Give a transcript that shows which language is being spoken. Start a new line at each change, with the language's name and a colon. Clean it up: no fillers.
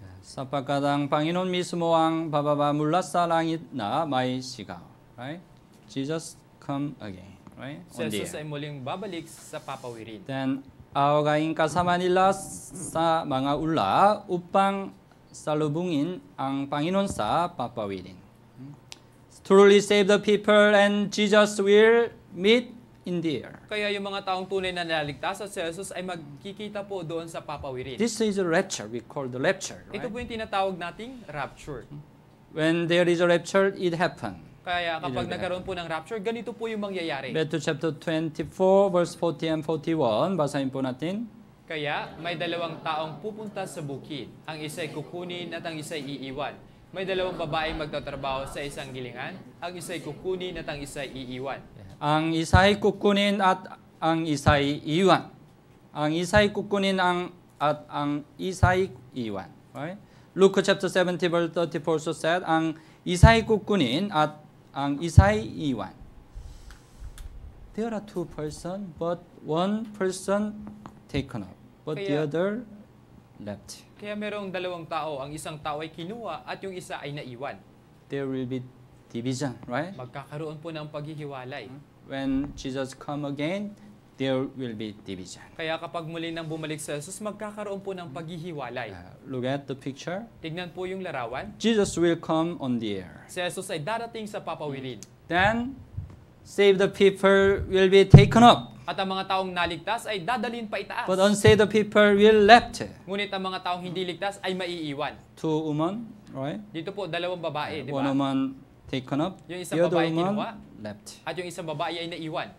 Filipino: Sapagkat ang Panginoon mismo ang bababa mula sa langit na may sigaw.
English: Right? Jesus come again. Right?
Filipino: Si Jesus ay muling babalik sa papawirin. Then, aagawin kasama nila sa mga ulap upang salubungin ang Panginoon sa papawirin.
English: Truly save the people and Jesus will meet in the air.
Filipino: Kaya yung mga taong tunay na naligtas sa Jesus ay magkikita po doon sa papawirin.
English: This is a rapture, we call the rapture. Right?
Filipino: Ito po yung tinatawag nating rapture.
English: When there is a rapture, it happens.
Filipino: Kaya kapag nagkaroon po ng rapture, ganito po yung mangyayari.
English: Matthew chapter 24, verse 40 and 41,
Filipino: basahin po natin. Kaya may dalawang taong pupunta sa bukid, ang isa'y kukunin at ang isa'y iiwan. May dalawang babaeng magtatrabaho sa isang gilingan, ang isa'y kukunin at ang isa'y iiwan. Ang isa'y kukunin at ang isa'y iiwan. Ang isa'y kukunin ang at ang isa'y iiwan.
English: Right? Luke chapter 70, verse 34 so said,
Filipino: ang isa'y kukunin at ang isa'y iiwan.
English: There are two persons, but one person taken up, but the other left.
Filipino: Kaya merong dalawang tao, ang isang tao ay kinuha at yung isa ay naiwan.
English: There will be division, right?
Filipino: Magkakaroon po ng paghihiwalay.
English: When Jesus come again, there will be division.
Filipino: Kaya kapag muli nang bumalik si Jesus, magkakaroon po ng paghihiwalay.
English: Look at the picture.
Filipino: Tignan po yung larawan.
English: Jesus will come on the air.
Filipino: Si Jesus ay darating sa papawirin.
English: Then, save the people will be taken up.
Filipino: At ang mga taong naligtas ay dadalhin pa itaas.
English: But unsaved the people will left.
Filipino: Ngunit ang mga taong hindi ligtas ay maiiwan.
English: Two women, right?
Filipino: Dito po, dalawang babae, di ba?
English: One woman taken up.
Filipino: Yung isang babae kinuha.
English: Left.
Filipino: At yung isang babae ay naiwan.